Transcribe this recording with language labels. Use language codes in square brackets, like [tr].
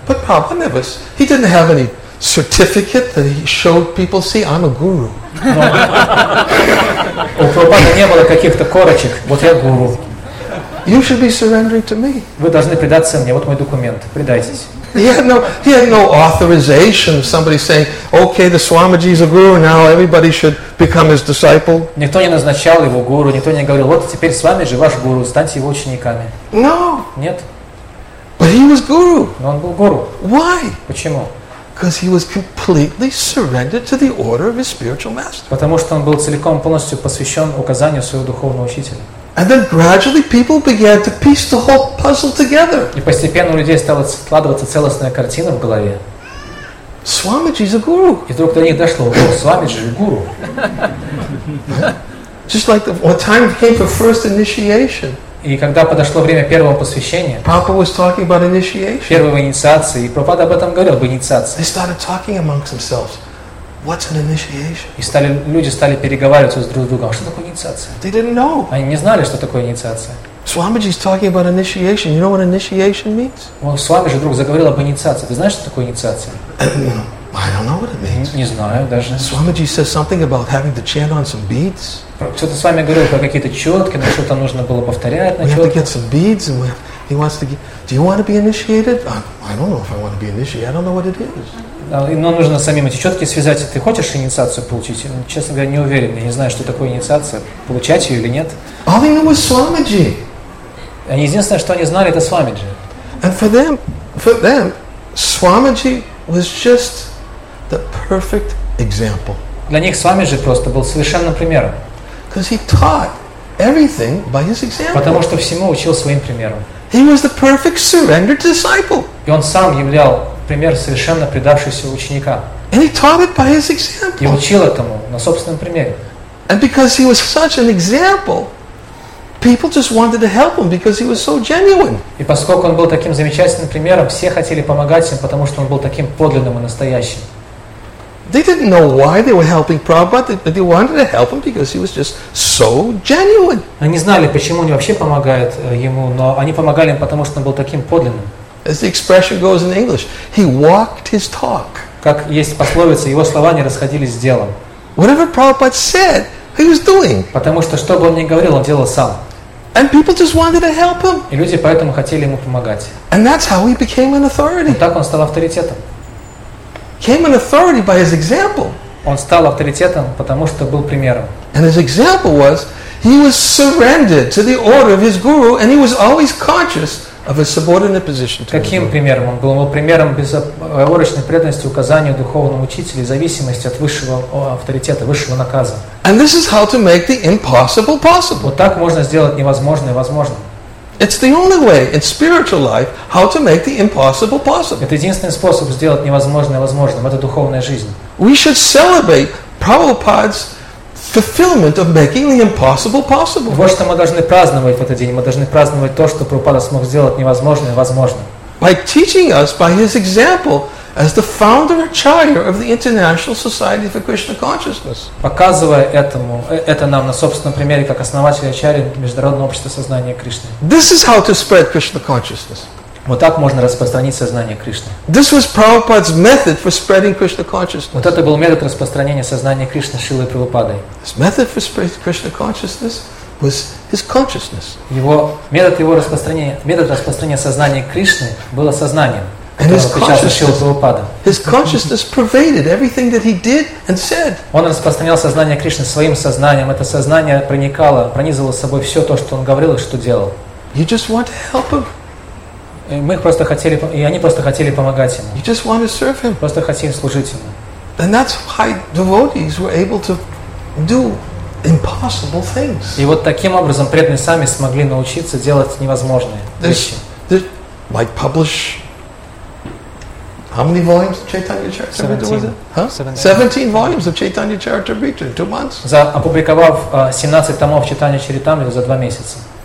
[en] But Prabhupada never, he didn't have any certificate that he showed people, see, I'm a guru. [ru] У Прабхупады не было каких-то корочек. Вот я гуру. [en] You should be surrendering to me. [ru] Вы должны предаться мне. Вот мой документ. Предайтесь. [en] He had no authorization of somebody saying, okay, the Swamiji is a guru, now everybody should become his disciple. [ru] Никто не назначал его гуру, никто не говорил, вот теперь Свамиджи ваш гуру, станьте его учениками. [en] No. [ru] Нет. [en] But he was guru. [ru] Но он был гуру. [en] Why? [ru] Почему? [en] Because he was completely surrendered to the order of his spiritual master. [ru] Потому что он был целиком полностью посвящен указанию своего духовного учителя. [en] And then gradually people began to piece the whole puzzle together. [ru] И постепенно у людей стала складываться целостная картина в голове. [en] Swamiji is a guru. [ru] И вдруг до них дошло, Swamiji же гуру. [en] Just like when time came for first initiation. [ru] И когда подошло время первого посвящения, [en] Prabhupada was talking about initiation. [ru] Первой инициации, и Прабхупада об этом говорил, об инициации. [en] They started talking amongst themselves. What's an initiation? [ru] И стали люди стали переговариваться с друг с другом. Что такое инициация? [en] They didn't know. [ru] Они не знали, что такое инициация. [en] Swamiji is talking about initiation. You know what initiation means? [ru] Well, Swamiji вдруг заговорил об инициации. Ты знаешь, что такое инициация? [en] I don't know what it means. [ru] Не знаю даже. [en] Swamiji says something about having to chant on some beads. [ru] Кто-то с вами говорил про какие-то четки, на что-то нужно было повторять. [en] We have to get some beads, and he wants to get. Do you want to be initiated? I don't know if I want to be initiated. I don't know what it is. [ru] Но нужно самим эти четки связать. Ты хочешь инициацию получить? Честно говоря, не уверен. Я не знаю, что такое инициация. Получать ее или нет. [en] All they knew was Swamiji. [ru] Единственное, что они знали, это Swamiji. [en] And for them, Swamiji was just the perfect example. [ru] Для них Swamiji просто был совершенным примером. [en] Because he taught everything by his example. [ru] Потому что всему учил своим примером. [en] He was the perfect surrendered disciple. [ru] И он сам являл пример совершенно предавшегося ученика. [en] And he taught it by his example. [ru] И учил этому на собственном примере. [en] And because he was such an example, people just wanted to help him because he was so genuine. [ru] И поскольку он был таким замечательным примером, все хотели помогать им, потому что он был таким подлинным и настоящим. [en] They didn't know why they were helping Prabhupada, but they wanted to help him because he was just so genuine. [ru] Они знали, почему они вообще помогают ему, но они помогали им, потому что он был таким подлинным. [en] As the expression goes in English, he walked his talk. [ru] Как есть пословица, его слова не расходились с делом. [en] Whatever Prabhupada said, he was doing. [ru] Потому что, что бы он ни говорил, он делал сам. [en] And people just wanted to help him. [ru] И люди поэтому хотели ему помогать. [en] And that's how he became an authority. [ru] И так он стал авторитетом. [en] Came an authority by his example. [ru] Он стал авторитетом, потому что был примером. [en] And his example was, he was surrendered to the order of his guru, and he was always conscious of a subordinate position to [ru] каким примером он был? Он был примером безоговорочной преданности указанию духовному учителю и зависимости от высшего авторитета, высшего наказа. [en] And this is how to make the impossible possible. [ru] Вот так можно сделать невозможное возможным. [en] It's the only way in spiritual life how to make the impossible possible. [ru] Это единственный способ сделать невозможное возможным. Это духовная жизнь. [en] We should celebrate Prabhupada's fulfillment of making the impossible possible. [ru] Вот что мы должны праздновать в этот день. Мы должны праздновать то, что Прабхупада смог сделать невозможное возможным. [en] By teaching us by his example as the founder and charter of the International Society for Krishna Consciousness. [ru] Показывая этому, это нам на собственном примере, как основатель и ачарья Международного общества сознания Кришны. [en] This is how to spread Krishna consciousness. [ru] Вот так можно распространить сознание Кришны. [en] This was Prabhupada's method for spreading Krishna consciousness. [ru] Вот это был метод распространения сознания Кришны Шрилой Прабхупадой. [en] His method for spreading Krishna consciousness was his consciousness. [ru] Метод распространения сознания Кришны было сознанием. [en] And his consciousness pervaded everything that he did and said. [ru] Он распространял сознание Кришны своим сознанием. Это сознание проникало, пронизывало собой все то, что он говорил и что делал. [en] You just want to help him. [ru] Они просто хотели помогать ему. [en] You just want to serve him. [ru] Просто хотели служить ему. [en] And that's why devotees were able to do impossible things. [ru] И вот таким образом преданные сами смогли научиться делать невозможные вещи. [en] Like publish. How many volumes of Chaitanya Charitamrita? 17 volumes of Chaitanya Charitamrita in 2 months. [ru] За опубликовав 17 томов Chaitanya Charitamrita за 2 месяца.